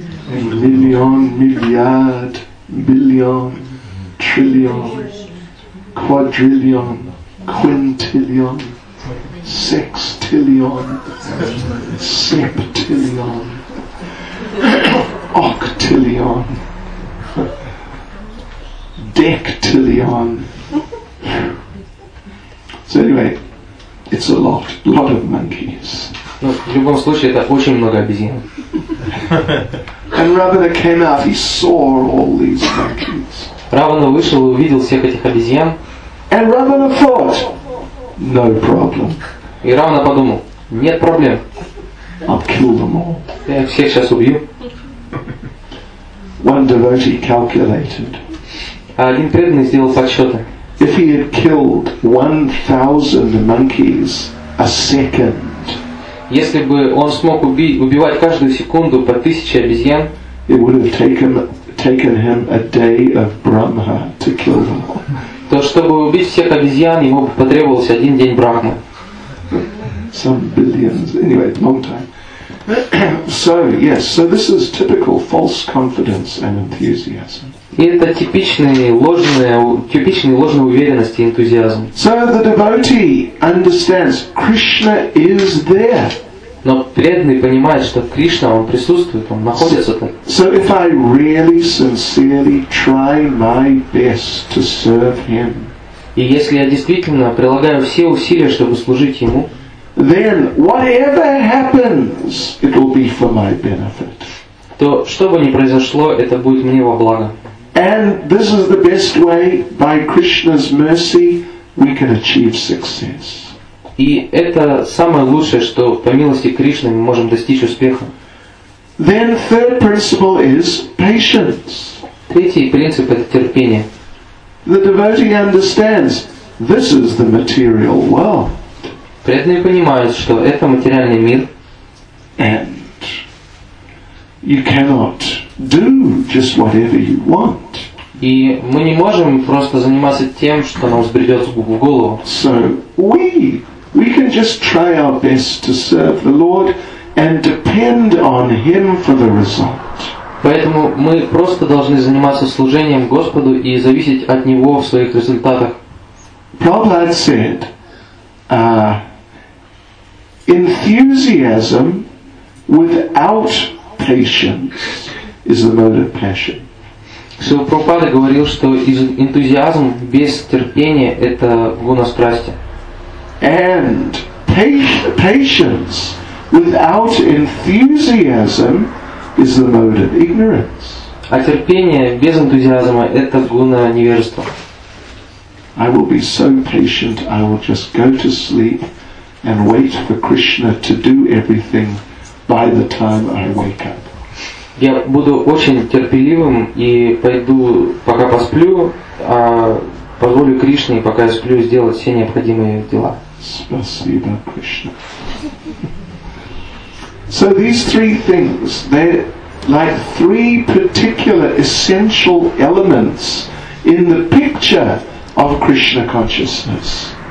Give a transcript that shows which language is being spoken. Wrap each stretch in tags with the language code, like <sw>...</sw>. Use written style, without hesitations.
<ru>Миллион, миллиард, биллион, триллион, квадриллион, квинтиллион, секстиллион, септиллион, октиллион, дектиллион.</ru> <en>So anyway, it's a lot of monkeys.</en> <ru>Ну, в любом случае, это очень много обезьян.</ru> <en>And Ravana came out, he saw all these monkeys.</en> <ru>Ravana вышел и увидел всех этих обезьян.</ru> <en>And Ravana thought, no problem.</en> <ru>И Ravana подумал, нет проблем.</ru> <en>I'll kill them all.</en> <ru>Я всех сейчас убью.</ru> <en>One devotee calculated.</en> <ru>Один преданный сделал подсчеты.</ru> <en>If he had killed 1,000 monkeys a second,</en> <ru>если бы он смог убивать каждую секунду по 1000 обезьян, то чтобы убить всех обезьян, ему бы потребовался один день Брахмы.</ru> <en>Some billions, anyway, long time. So, yes, so this is typical false confidence and enthusiasm.</en> <ru>И это типичные ложные уверенности и энтузиазм.</ru> <en>So the devotee understands Krishna is there.</en> <ru>Но преданный понимает, что Кришна, он присутствует, он находится там.</ru> <en>So if I really sincerely try my best to serve him,</en> <ru>и если я действительно прилагаю все усилия, чтобы служить ему,</ru> <en>then whatever happens, it will be for my benefit.</en> <ru>То, что бы ни произошло, это будет мне во благо.</ru> <en>And this is the best way, by Krishna's mercy, we can achieve success.</en> <ru>И это самое лучшее, что по милости Кришны мы можем достичь успеха.</ru> <en>Then third principle is patience.</en> <ru>Третий принцип – это терпение.</ru> <en>The devotee understands this is the material world.</en> <ru>Преданные понимают, что это материальный мир.</ru> <en>And you cannot do just whatever you want.</en> <ru>И мы не можем просто заниматься тем, что нам взбредет в голову.</ru> <en>So we can just try our best to serve the Lord and depend on Him for the result.</en> <ru>Поэтому мы просто должны заниматься служением Господу и зависеть от Него в своих результатах.</ru> <en>Prabhupada said, enthusiasm without patience is the mode of passion.</en> <ru>Шрила Прабхупада говорил, что энтузиазм без терпения – это гуна страсти.</ru> <en>And patience without enthusiasm is the mode of ignorance.</en> <ru>А терпение без энтузиазма – это гуна невежества.</ru> <en>I will be so patient, I will just go to sleep and wait for Krishna to do everything by the time I wake up.</en> <ru>Я буду очень терпеливым и пойду, пока посплю, а позволю Кришне, пока я сплю, сделать все необходимые дела. Спасибо, Кришна.</ru> <en>So these three things, they're like three particular essential elements in the picture of Krishna consciousness.</en>